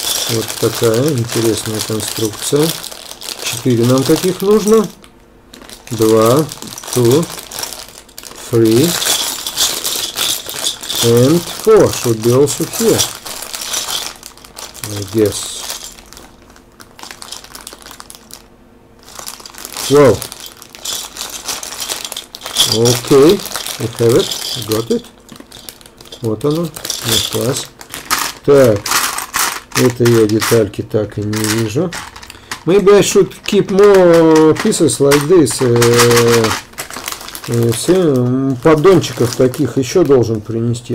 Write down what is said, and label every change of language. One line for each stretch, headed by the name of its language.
Russian: Вот такая интересная конструкция. Четыре нам таких нужно. Два,
English: two, three, and four should be also here. I guess. Well. Okay, I have it. Got it.
Russian: Вот оно, нашлась. Так. Это я детальки так и не вижу.
English: Maybe I should keep more pieces like this.
Russian: Поддончиков таких еще должен принести.